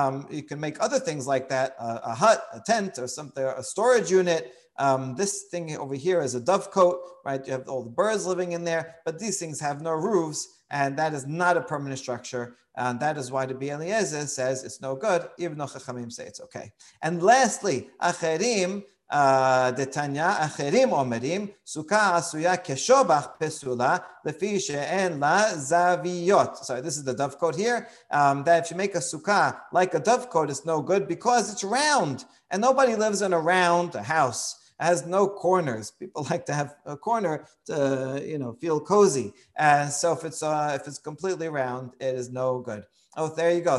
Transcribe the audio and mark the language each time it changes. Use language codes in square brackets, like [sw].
[en] You can make other things like that, a hut, a tent or something, a storage unit. This thing over here is a dovecote, right? You have all the birds living in there, but these things have no roofs and that is not a permanent structure. And that is why the Rabbi Eliezer says it's no good, even though Chachamim say it's okay. And lastly, Acherim, [he] דתניא אחרים אומרים סוכה עשויה כשובח פסולה לפי שאין לה זוויות. [en] Sorry, this is the dovecote here. That if you make a sukkah like a dovecote, it's no good because it's round. And nobody lives in a round house. It has no corners. People like to have a corner to, you know, feel cozy. And so if it's completely round, it is no good. Oh, there you go.